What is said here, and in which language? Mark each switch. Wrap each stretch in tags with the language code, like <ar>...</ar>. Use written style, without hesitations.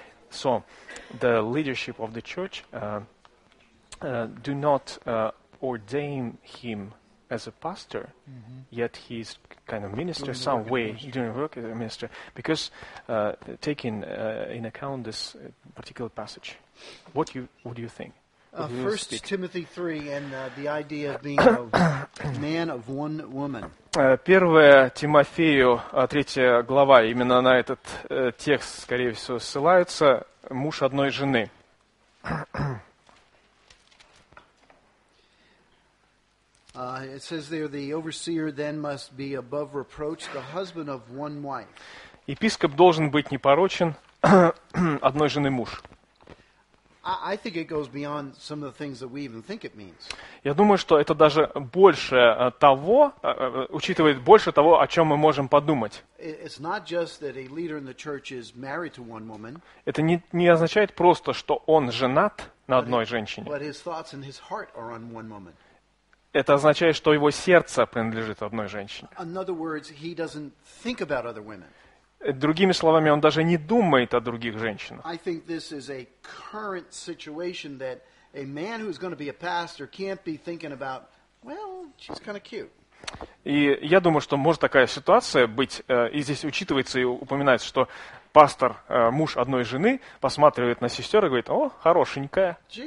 <en>So the leadership of the church do not ordain him as a pastor, yet he's kind of minister doing some way, ministry. Doing work as a minister, because taking in account this particular passage, what you would you think? First Timothy 3 and the idea of being a man of one woman.</en> <ru>Первая Тимофею, третья глава, именно на этот текст, скорее всего, ссылается, муж одной жены.</ru> <en>It says there the overseer then must be above reproach, the husband of one wife.</en> <ru>Епископ должен быть непорочен, одной жены муж.</ru> <en>I think it goes beyond some of the things that we even think it means.</en> <ru>Я думаю, что это даже больше того, учитывает больше того, о чем мы можем подумать.</ru> <en>It's not just that a leader in the church is married to one woman.</en> <ru>Это не означает просто, что он женат на одной женщине.</ru> <en>But his thoughts and his heart are on one woman.</en> <ru>Это означает, что его сердце принадлежит одной женщине.</ru> <en>In other words, he doesn't think about other women.</en> <ru>Другими словами, он даже не думает о других женщинах. И я думаю, что может такая ситуация быть, и здесь учитывается и упоминается, что пастор, муж одной жены, посматривает на сестер и говорит, о, хорошенькая.</ru>